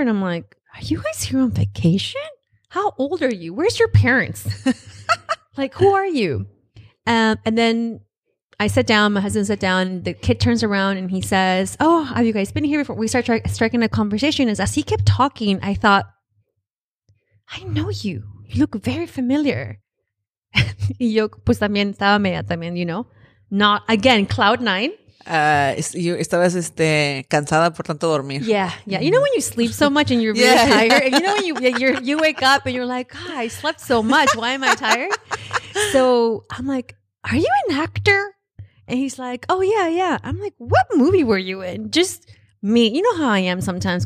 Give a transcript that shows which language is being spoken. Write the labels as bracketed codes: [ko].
[en] And I'm like, are you guys here on vacation? How old are you? Where's your parents? Like, who are you? And then I sat down, my husband sat down, the kid turns around and he says, oh, have you guys been here before? We start striking a conversation. As he kept talking, I thought, I know you. You look very familiar. [es] Y yo pues también estaba media también, [en] you know? Not, again, cloud nine. [es] Estabas cansada por tanto dormir. [en] Yeah, yeah. You know when you sleep so much and you're really yeah. tired? And you know when you wake up and you're like, God, I slept so much. Why am I tired? So I'm like, are you an actor? And he's like, oh, yeah, yeah. I'm like, what movie were you in? Just me. You know how I am sometimes.